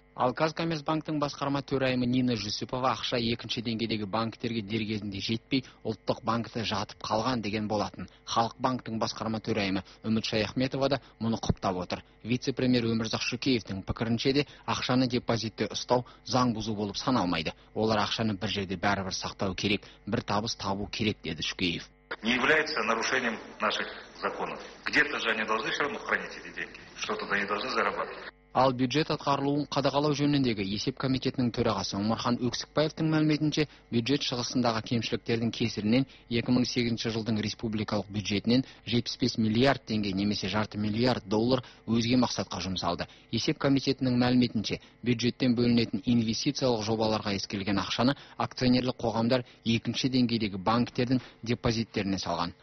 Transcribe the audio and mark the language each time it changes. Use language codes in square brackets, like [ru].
[kk] Ал Қазкоммерцбанктің басқарма төрайымы Нина Жүсіпова ақша 2-ші деңгейдегі банктерге дер кезінде жетпей, ұлттық банкте жатып қалған деген болатын. Халық банктің басқарма төрайымы Үміт Шаяхметова да мұны құптап отыр. Вице-премьер Өмірзақ Шүкеевтің пікірінше де ақшаны депозитте ұстау заң бұзу болып саналмайды. Олар ақшаны бір жерде бәрібір сақтау керек, бір табыс табу керек деді Шүкеев. [ru] Не является нарушением наших законов. Где-то же они должны всё равно хранить эти деньги. Что-то они должны зарабатывать. [kk] Ал бюджет атқарылуын қадағалау жөніндегі есеп комитетінің төрағасы Омархан Өксікбаевтың мәліметінше, бюджет шығысындағы кемшіліктердің кесірінен 2008 жылдың республикалық бюджетінен 75 миллиард теңге немесе жарты миллиард доллар өзге мақсатқа жұмсалды. Есеп комитетінің мәліметінше, бюджеттен бөлінетін инвестициялық жобаларға ескерілген ақшаны акционерлік қоғамдар 2-ші деңгейдегі банктердің депозиттеріне салған.